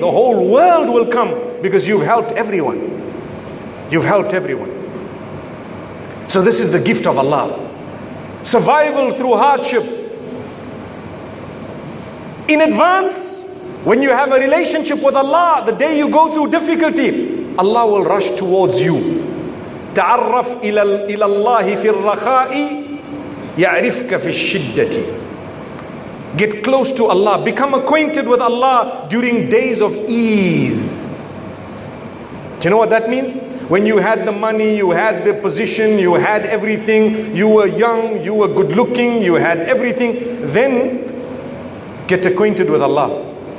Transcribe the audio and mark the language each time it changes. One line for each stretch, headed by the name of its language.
English: The whole world will come because you've helped everyone. You've helped everyone. So this is the gift of Allah. Survival through hardship. In advance, when you have a relationship with Allah, the day you go through difficulty, Allah will rush towards you.
Arabic: تعرف إلى الله في الرخاء يعرفك في الشدة.
English: Get close to Allah. Become acquainted with Allah during days of ease. Do you know what that means? When you had the money, you had the position, you had everything, you were young, you were good looking, you had everything, then get acquainted with Allah.